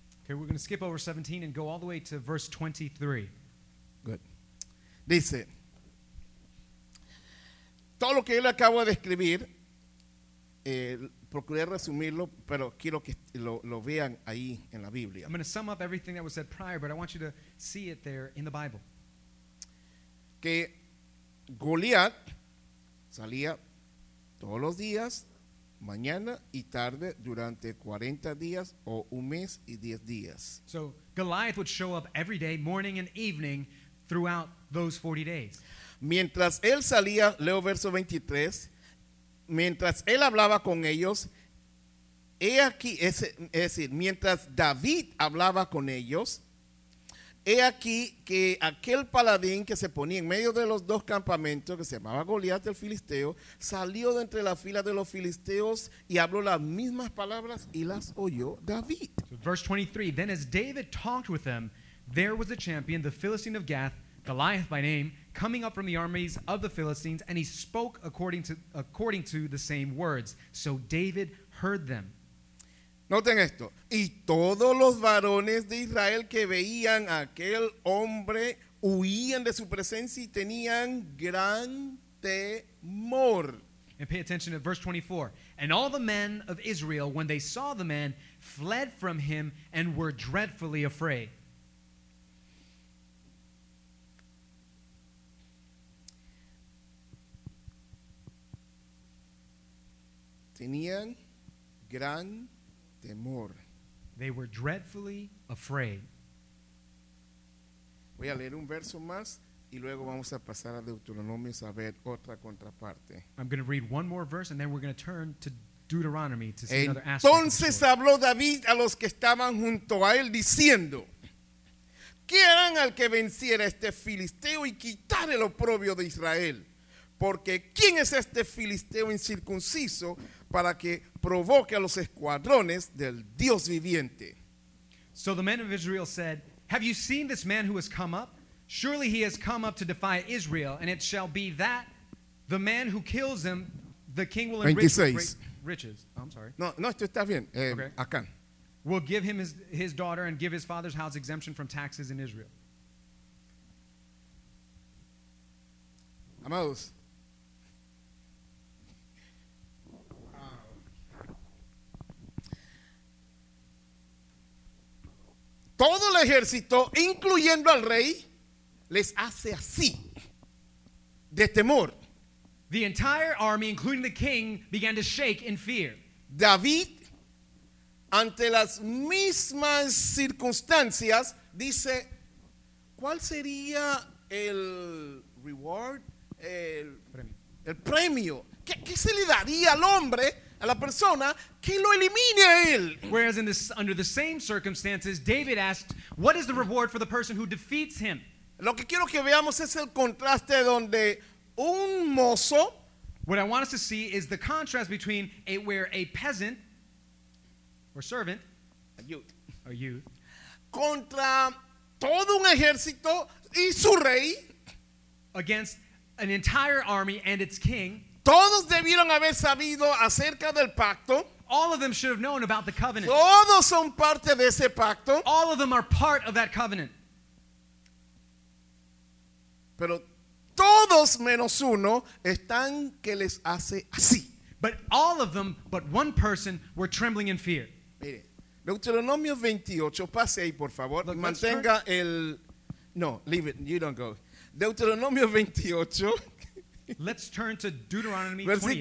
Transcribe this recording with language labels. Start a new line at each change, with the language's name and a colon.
English: Okay, we're going to skip over 17 and go all the way to verse 23. Good.
Spanish: Dice, todo lo que yo le acabo de escribir, procuré resumirlo, pero quiero que lo vean ahí en la Biblia.
English: I'm going to sum up everything that was said prior, but I want you to see it there in the Bible.
Spanish: Que Goliat salía todos los días, mañana y tarde, durante 40 días o un mes y 10 días.
English: So Goliath would show up every day, morning and evening, throughout those 40 days.
Spanish: Mientras él salía, leo verso 23, mientras él hablaba con ellos, he aquí, es decir, mientras David hablaba con ellos, he aquí que aquel paladín que se ponía en medio de los dos campamentos, que se llamaba Goliat el filisteo, salió de entre la fila de los filisteos y habló las mismas palabras y las oyó David.
English: So verse 23, then as David talked with them, there was a champion, the Philistine of Gath, Goliath by name, coming up from the armies of the Philistines, and he spoke according to the same words. So David heard them.
Spanish: Noten esto. Y todos los varones de Israel que veían a aquel hombre huían de su presencia y tenían gran temor.
English: And pay attention to verse 24. And all the men of Israel, when they saw the man, fled from him and were dreadfully afraid.
Spanish: Tenían gran temor.
English: They were dreadfully afraid.
Spanish: Voy a leer un verso más y luego vamos a pasar a Deuteronomio a ver otra contraparte.
English: I'm going to read one more verse and then we're going to turn to Deuteronomy to see
Spanish: entonces
English: another aspect.
Spanish: Entonces habló David a los que estaban junto a él diciendo, ¿qué harán al que venciera este filisteo y quitar el oprobio de Israel? Porque ¿quién es este filisteo incircunciso para que provoque a los escuadrones del Dios viviente?
English: So the men of Israel said, have you seen this man who has come up? Surely he has come up to defy Israel, and it shall be that the man who kills him, the king will enrich his great riches. Oh, I'm sorry.
Spanish: No, esto está bien. Okay. Acá.
English: Will give him his daughter and give his father's house exemption from taxes in Israel.
Spanish: Amados, ejército, incluyendo al rey, les hace así, de temor.
English: The entire army, including the king, began to shake in fear.
Spanish: David, ante las mismas circunstancias, dice, ¿cuál sería el reward, el premio? El premio. ¿Qué se le daría al hombre, a la persona, que lo elimine a él?
English: Whereas in this, under the same circumstances, David asked, what is the reward for the person who defeats him?
Spanish: Lo que quiero que veamos es el contraste donde un mozo.
English: What I want us to see is the contrast between a, where a peasant or servant. A youth. A youth.
Spanish: Contra todo un ejército y su rey.
English: Against an entire army and its king.
Spanish: Todos debieron haber sabido acerca del pacto.
English: All of them should have known about the covenant.
Spanish: Todos son parte de ese pacto.
English: All of them are part of that covenant.
Spanish: Pero todos menos uno están que les hace así.
English: But all of them but one person were trembling in fear.
Spanish: Mire, Deuteronomio 28, pase ahí por favor.
English: Look,
Spanish: mantenga el...
English: No, leave it, you don't go.
Spanish: Deuteronomio 28...
English: Let's turn to Deuteronomy 28,